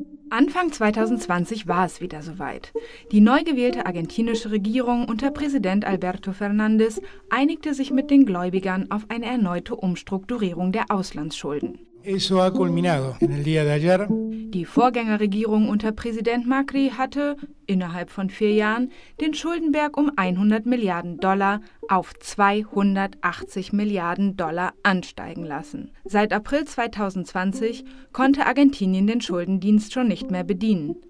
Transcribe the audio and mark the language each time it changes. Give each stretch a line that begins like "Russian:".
German: Anfang 2020 war es wieder soweit. Die neu gewählte argentinische Regierung unter Präsident Alberto Fernández einigte sich mit den Gläubigern auf eine erneute Umstrukturierung der Auslandsschulden.
Spanish: Eso ha culminado en el día de ayer.
German: Die Vorgängerregierung unter Präsident Macri hatte innerhalb von 4 Jahren den Schuldenberg um 100 Milliarden Dollar auf 280 Milliarden Dollar ansteigen lassen. Seit April 2020 konnte Argentinien den Schuldendienst schon nicht mehr bedienen.